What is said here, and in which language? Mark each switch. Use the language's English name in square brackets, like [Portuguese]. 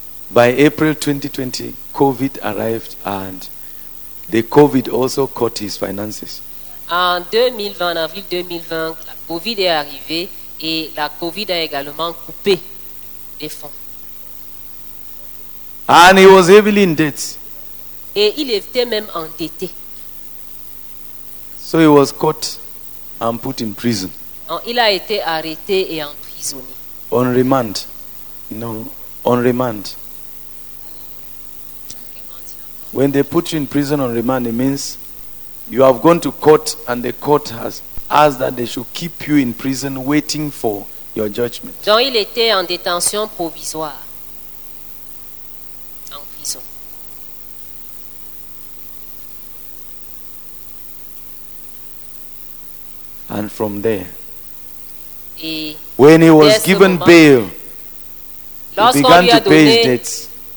[English] By April 2020, COVID arrived and the COVID also caught his finances. [French] En 2020, en avril 2020, la COVID est arrivée et la COVID a également coupé les fonds. [English] And he was heavily in debt. [French] Et il était même endetté. [English] So he was caught and put in prison. [French] Il a été arrêté et emprisonné. [English] On remand. No, on remand. When they put you in prison on remand, it means you have gone to court and the court has asked that they should keep you in prison waiting for your judgment. [French] Donc il était en détention provisoire. En prison. [English] And from there, [French] et [English] when he was given bail, he began to pay his debts.